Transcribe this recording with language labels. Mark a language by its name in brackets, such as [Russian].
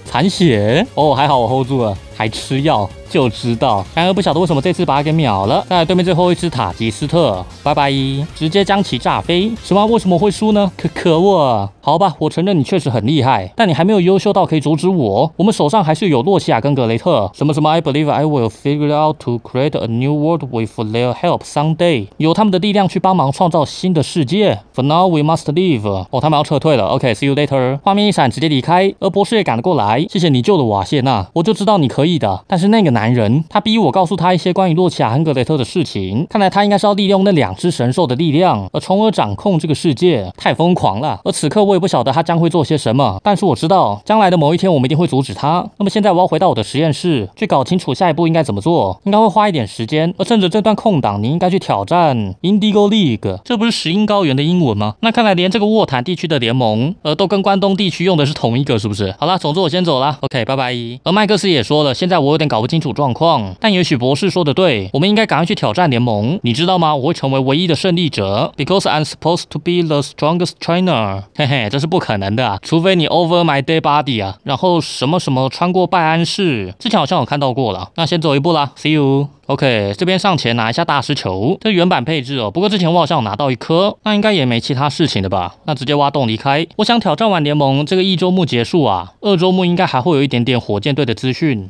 [Chinese] 残血哦，还好我 hold 住了，还吃药，就知道。然而不晓得为什么这次把他给秒了。再来对面最后一只塔吉斯特，拜拜，直接将其炸飞。什么？为什么会输呢？可恶！好吧，我承认你确实很厉害，但你还没有优秀到可以阻止我。我们手上还是有洛奇亚跟格雷特。什么什么 ？ [English] I believe I will figure out to create a new world with their help someday。 [Chinese] 有他们的力量去帮忙创造新的世界。 [English] For now we must leave。 [Chinese] 哦，他们要撤退了。 [English] OK，see you later。 [Chinese] 画面一闪，直接离开。而博士也赶了过来。谢谢你救了我啊，谢娜。我就知道你可以的，但是那个男人他逼我告诉他一些关于洛奇亚和格雷特的事情，看来他应该是要利用那两只神兽的力量而从而掌控这个世界，太疯狂了。而此刻我也不晓得他将会做些什么，但是我知道将来的某一天我们一定会阻止他。那么现在我要回到我的实验室去搞清楚下一步应该怎么做，应该会花一点时间。而趁着这段空档，你应该去挑战 Indigo League， 这不是石英高原的英文吗？那看来连这个沃坦地区的联盟都跟关东地区用的是同一个，是不是？好了，总之我先走了。 OK， 拜拜。而麦克斯也说了，现在我有点搞不清楚状况，但也许博士说的对，我们应该赶快去挑战联盟。你知道吗？我会成为唯一的胜利者 [English] ，because I'm supposed to be the strongest trainer。 [Chinese] 嘿嘿，这是不可能的，除非你 [English] over my dead body [Chinese] 啊，然后什么什么穿过拜安市，之前好像有看到过了。那先走一步啦 ， [English] see you。 [Chinese] OK， 这边上前拿一下大师球，这原版配置哦。不过之前我好像有拿到一颗，那应该也没其他事情的吧？那直接挖洞离开。我想挑战完联盟，这个一周目结束啊，二周目应该还会有一点点火箭队的资讯。